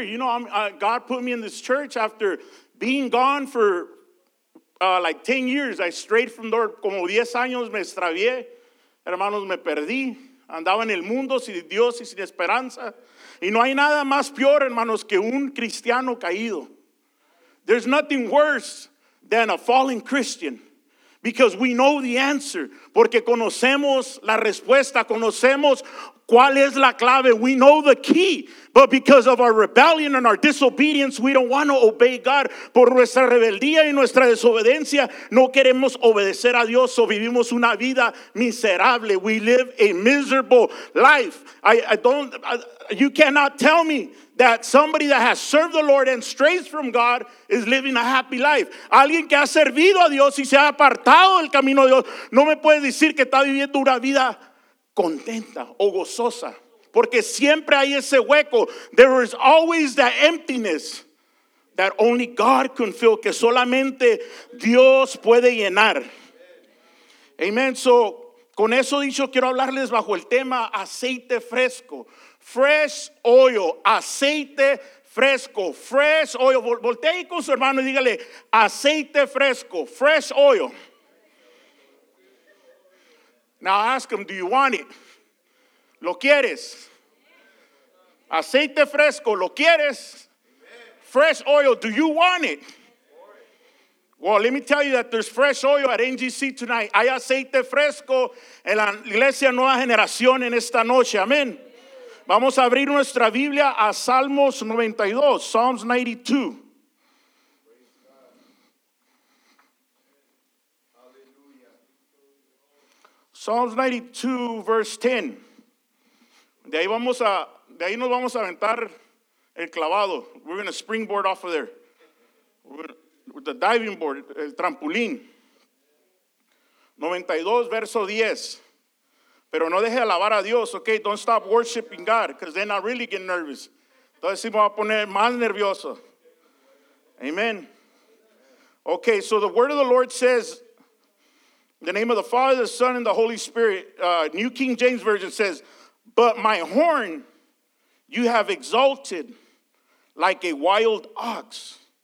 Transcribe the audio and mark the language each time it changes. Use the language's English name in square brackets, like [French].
[English] You know, God put me in this church after being gone for like 10 years. I strayed from the Lord. [Spanish] Como 10 años me extravié. Hermanos, me perdí. Andaba en el mundo sin Dios y sin esperanza. Y no hay nada más peor, hermanos, que un cristiano caído. [English] There's nothing worse than a fallen Christian. Because we know the answer. [Spanish] Porque conocemos la respuesta. Conocemos cuál es la clave. [English] We know the key. But because of our rebellion and our disobedience, we don't want to obey God. [Spanish] Por nuestra rebeldía y nuestra desobediencia, no queremos obedecer a Dios. [English] So [Spanish] vivimos una vida miserable. [English] We live a miserable life. You cannot tell me that somebody that has served the Lord and strays from God is living a happy life. [Spanish] Alguien que ha servido a Dios y se ha apartado del camino de Dios, no me puede decir que está viviendo una vida contenta o gozosa. Porque siempre hay ese hueco. [English] There is always that emptiness that only God can fill, [Spanish] que solamente Dios puede llenar. [English] Amen. [Spanish] So, con eso dicho, quiero hablarles bajo el tema aceite fresco. [English] Fresh oil, [Spanish] aceite fresco, [English] fresh oil. [Spanish] Voltea ahí con su hermano y dígale, aceite fresco, [English] fresh oil. Now ask him, do you want it? [Spanish] ¿Lo quieres? Aceite fresco, ¿lo quieres? [English] Fresh oil, do you want it? Well, let me tell you that there's fresh oil at NGC tonight. [Spanish] Hay aceite fresco en la iglesia Nueva Generación en esta noche. Amén. Vamos a abrir nuestra Biblia a Salmos 92, Psalms 92. [English] Psalms 92, verse 10. [Spanish] De ahí nos vamos a aventar el clavado. [English] We're going to springboard off of there. With the diving board, [Spanish] el trampolín. 92, verso 10. Pero no deje de alabar a Dios, okay? [English] Don't stop worshiping God, because then I really get nervous. [Spanish] Entonces sí me voy a poner más nervioso. Amen. [English] Okay, so the word of the Lord says, the name of the Father, the Son, and the Holy Spirit, New King James Version says, but my horn you have exalted like a wild ox.